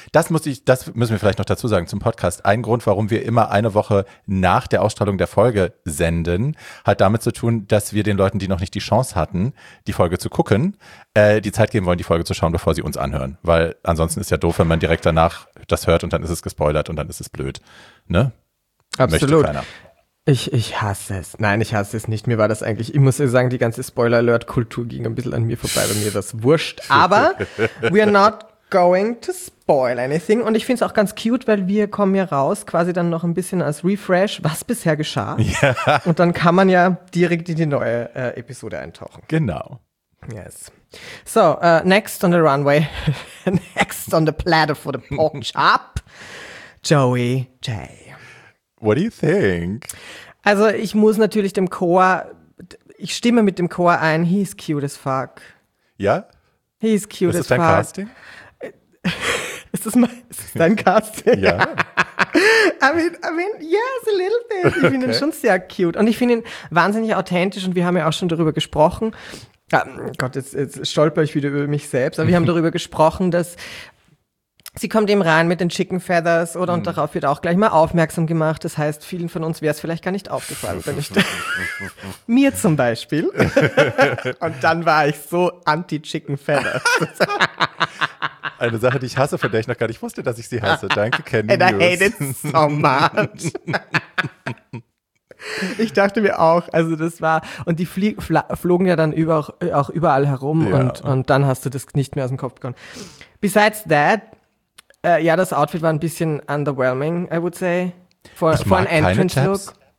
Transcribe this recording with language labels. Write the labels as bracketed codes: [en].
[de] Das müssen wir vielleicht noch dazu sagen zum Podcast. Ein Grund, warum wir immer eine Woche nach der Ausstrahlung der Folge senden, hat damit zu tun, dass wir den Leuten, die noch nicht die Chance hatten, die Folge zu gucken, die Zeit geben wollen, die Folge zu schauen, bevor sie uns anhören. Weil ansonsten ist ja doof, wenn man direkt danach das hört und dann ist es gespoilert und dann ist es blöd. Ne? Absolut. Möchte keiner. Ich hasse es. Nein, ich hasse es nicht. Mir war das eigentlich, ich muss sagen, die ganze Spoiler-Alert-Kultur ging ein bisschen an mir vorbei, bei mir das wurscht. [en] Aber we are not going to spoil anything. [de] Und ich finde es auch ganz cute, weil wir kommen ja raus, quasi dann noch ein bisschen als Refresh, was bisher geschah. Ja. Und dann kann man ja direkt in die neue Episode eintauchen. Genau. [en] Yes. So, next on the runway, next on the platter for the pork chop, Joey J. What do you think? [de] Also ich muss natürlich dem Chor, ich stimme mit dem Chor ein, [en] he's cute as fuck. [de] Ja? [en] He's cute as fuck. [de] Ist das dein Casting? Ist das dein Casting? Ja. [en] I mean, yes, a little bit. [de] Ich finde ihn schon sehr cute. Und ich finde ihn wahnsinnig authentisch und wir haben ja auch schon darüber gesprochen. Gott, jetzt stolper ich wieder über mich selbst. Aber wir haben darüber gesprochen, dass... Sie kommt eben rein mit den Chicken Feathers oder und darauf wird auch gleich mal aufmerksam gemacht. Das heißt, vielen von uns wäre es vielleicht gar nicht aufgefallen, wenn ich mir zum Beispiel. Und dann war ich so anti-Chicken Feathers. Eine Sache, die ich hasse, von der ich noch gar nicht wusste, dass ich sie hasse. Danke, Candy [en] News. And I hate it so much. [de] Ich dachte mir auch, also das war, und die flogen ja dann auch überall herum und dann hast du das nicht mehr aus dem Kopf bekommen. [en] Besides that, [de] ja, das Outfit war ein bisschen underwhelming, [en] I would say, for an Entrance-Look.